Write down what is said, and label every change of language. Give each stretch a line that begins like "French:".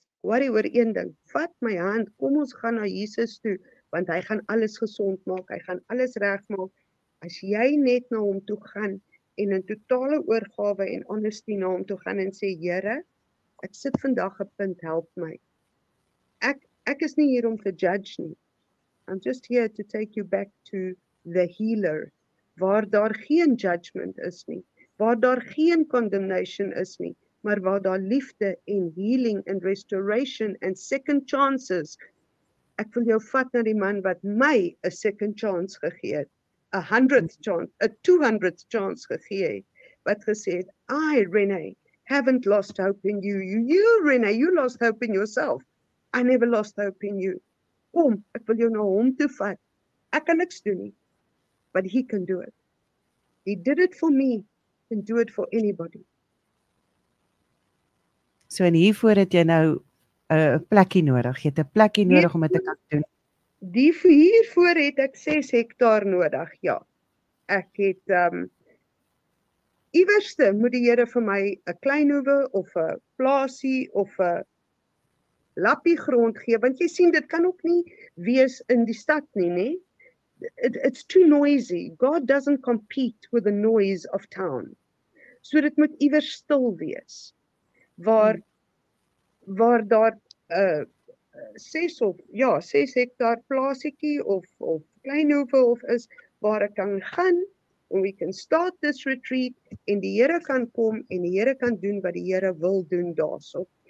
Afrikaans: Worry oor een ding. Vat my hand, kom ons gaan na Jesus toe, want hy gaan alles gesond maak, hy gaan alles reg maak. As jy net na hom toe gaan, en in totale oorgawe en honestie na hom toe gaan, en sê, Here, ek sit vandag 'n punt, help my. Ek is nie hier om te judge nie. I'm just here to take you back to the healer, waar daar geen judgment is nie, waar daar geen condemnation is nie, maar waar daar liefde en healing en restoration en second chances. Ek wil jou vat na die man wat my 'n second chance gegee het, 200th chance gegee het, wat gesê het, I, René, haven't lost hope in you.
English: You, René, you lost hope in yourself. I never lost hope in you.
Afrikaans: Kom, ek wil jou na hom toe vat. Ek kan niks doen nie, but he can do it.
English: He did it for me, can do it for anybody.
Afrikaans: So en hiervoor het jy nou plekkie nodig? Jy het 'n plekkie nodig om dit te kan doen. Die hiervoor het ek 6 hektaar nodig, ja. Ek het iewerste moet die Here vir my 'n klein hoeve of 'n plaasie of 'n lappie grond gee, want jy sien dit kan ook nie wees in die stad nie, nê?
English: It's too noisy. God doesn't compete with the noise of town.
Afrikaans: So dit moet iewers stil wees. Waar daar 'n 6 hektaar plaasietjie of klein hoeve of is waar ek kan gaan and we can start this retreat en die Here kan kom en die Here kan doen wat die Here wil doen daarsop.